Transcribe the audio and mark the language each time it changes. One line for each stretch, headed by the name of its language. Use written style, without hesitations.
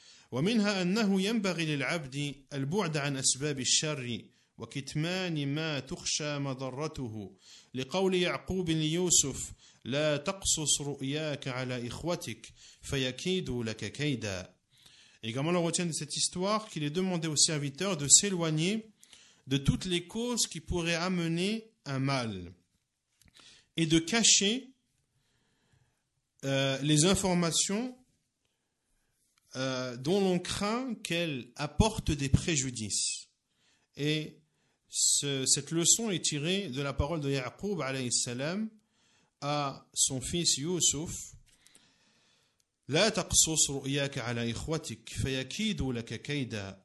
Arabic: ومنها أنه ينبغي للعبد البعد عن أسباب الشر وكتمان ما تخشى مضرته، لقول يعقوب ليوسف: لا تقصص رؤياك على إخوتك فيكيدوا لك كيدا.
French: Également, on retient de cette histoire qu'il est demandé aux serviteurs de s'éloigner de toutes les causes qui pourraient amener un mal et de cacher les informations dont l'on craint qu'elles apportent des préjudices. Et cette leçon est tirée de la parole de Yaqub alayhi salam à son fils Youssouf.
Arabic: لا تقصص رؤياك على إخوتك فيكيدوا لك كيدا.